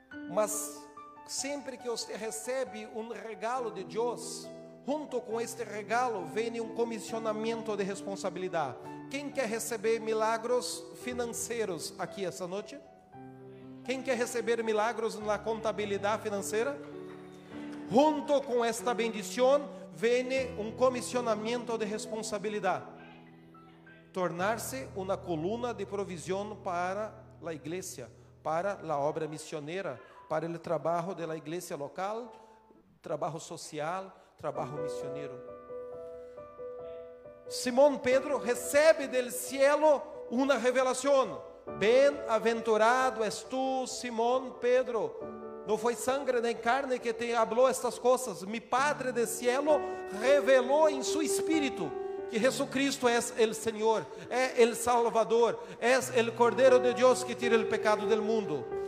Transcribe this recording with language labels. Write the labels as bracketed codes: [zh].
[pt] Mas sempre que você recebe um regalo de Deus, junto com este regalo vem um comissionamento de responsabilidade. Quem quer receber milagros financeiros aqui essa noite? Quem quer receber milagros na contabilidade financeira? Junto com esta bendição [es] viene un comisionamiento de responsabilidad. Tornarse una columna de provisión para la iglesia, para la obra misionera, para el trabajo de la iglesia local, trabajo social, trabajo misionero. Simón Pedro recibe del cielo una revelación. Bienaventurado es tú, Simón Pedro. [pt] Não foi sangue nem carne que te falou estas coisas. [es] Mi Padre de Cielo [pt] revelou em seu espírito que Jesus Cristo é o Senhor, é o Salvador, é o Cordeiro de Deus que tira o pecado do mundo.